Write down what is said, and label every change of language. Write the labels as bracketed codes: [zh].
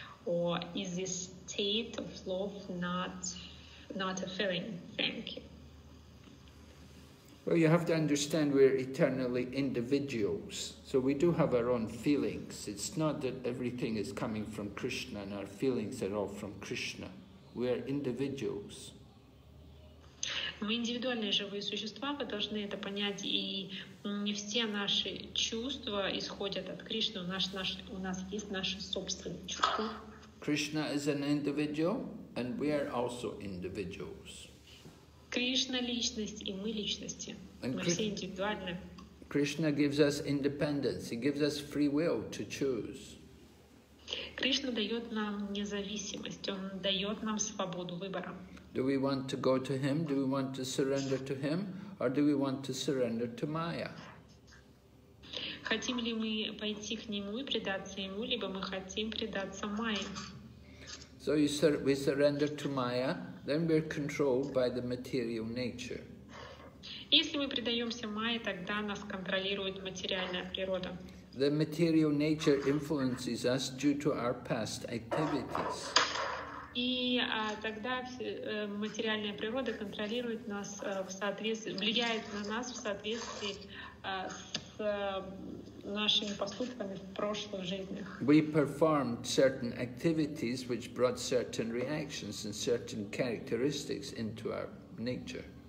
[en] Or is this state of love not a feeling? Thank you. Well, you have to understand we're eternally individuals. So we do have our own feelings. It's not that everything is coming from Krishna and our feelings are all from Krishna. We are individuals. [ru] Мы индивидуальные живые существа, вы должны это понять, и не все наши чувства исходят от Кришны, у нас есть наши собственные чувства. [en] Krishna is an individual, and we are also individuals. [ru] Кришна — личность, и мы — личности. Мы все индивидуальны. [en] Krishna gives us independence, he gives us free will to choose. [ru] Кришна дает нам независимость, он дает нам свободу выбора. [en] Do we want to go to him? Do we want to surrender to him? Or do we want to surrender to Maya? [ru] Хотим ли мы пойти к нему и предаться ему, либо мы хотим предаться Майе? [en] So we surrender to Maya, then we're controlled by the material nature. [ru] Если мы предаемся Майе, тогда нас контролирует материальная природа. [en] The material nature influences us due to our past activities. [ru] Материальная природа контролирует нас влияет на нас в соответствии с нашими поступками в прошлых жизнях. [en] We performed certain activities which brought certain reactions and certain characteristics into our nature.